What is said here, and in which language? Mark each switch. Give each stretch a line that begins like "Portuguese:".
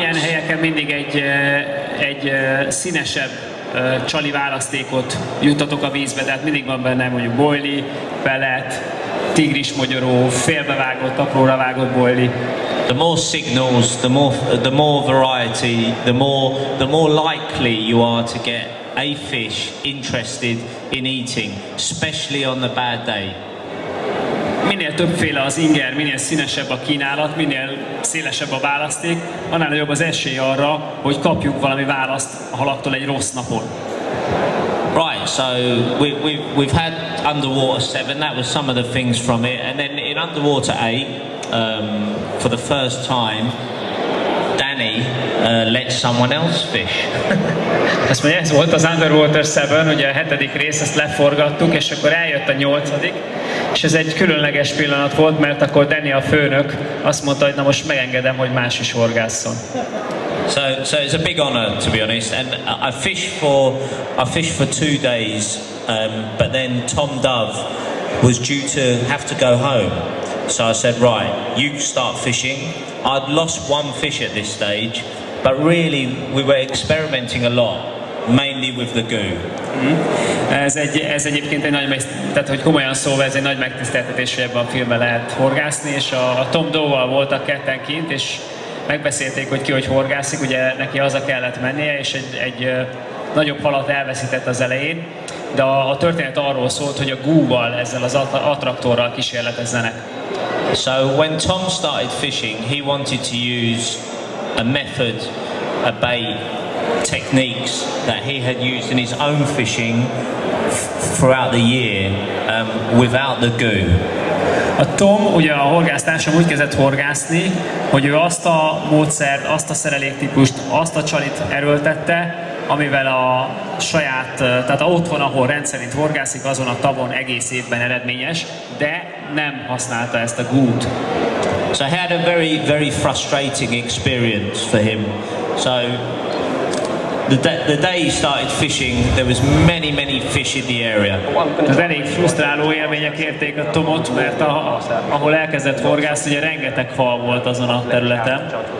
Hungarian: Ilyen helyeken mindig egy színesebb csali választékot juttatok a vízbe, tehát mindig van benne mondjuk boili, pellet, tigrismogyoró, félbevágott, apróra vágott boili.
English: The more signals, the more variety, the more likely you are to get a fish interested in eating, especially on the bad day.
Hungarian: Minél többféle az inger, minél színesebb a kínálat, minél szélesebb a választék, annál jobb az esély arra, hogy kapjuk valami választ a halaktól egy rossz napon.
English: Right, so we've had underwater 7, that was some of the things from it, and then in underwater 8, for the first time, Danny let someone else fish.
Hungarian: Ezt mondja, ez volt az Underwater 7, ugye a hetedik rész, ezt leforgattuk, és akkor eljött a nyolcadik, és ez egy különleges pillanat volt, mert akkor Danny a főnök azt mondta, hogy na most megengedem, hogy más is horgásszon.
English: So it's a big honor, to be honest, and I fished for 2 days, but then Tom Dove was due to have to go home. So I said, right, you start fishing. I'd lost one fish at this stage, but really we were experimenting a lot, mainly with the goo.
Hungarian: Ez egyébként egy nagy, tehát hogy komolyan szóval ez egy nagy megtiszteltetés, hogy ebben a filmben lehet horgászni, és a Tom Dove-val voltak ketten kint, és megbeszélték, hogy ki hogy horgászik, ugye neki haza kellett mennie, és egy nagyobb halat elveszített az elején, de a történet arról szólt, hogy a goo-val, ezzel az attraktorral kísérletezzenek.
English: So when Tom started fishing, he wanted to use a method, a bait, techniques that he had used in his own fishing throughout the year, without the goo.
Hungarian: A Tom ugye a horgásztársam úgy kezdett horgászni, hogy ő azt a módszert, azt a szereléktípust, azt a csalit erőltette, amivel a saját, tehát otthon, ahol rendszerint horgászik, azon a tavon egész évben eredményes, de nem használta ezt a gút.
English: So he had a very, very frustrating experience for him. So the day he started fishing, there was many, many fish in the area.
Hungarian: Az elég frusztráló élmények érték a Tomot, mert ahol elkezdett horgászni, ugye rengeteg fal volt azon a területen.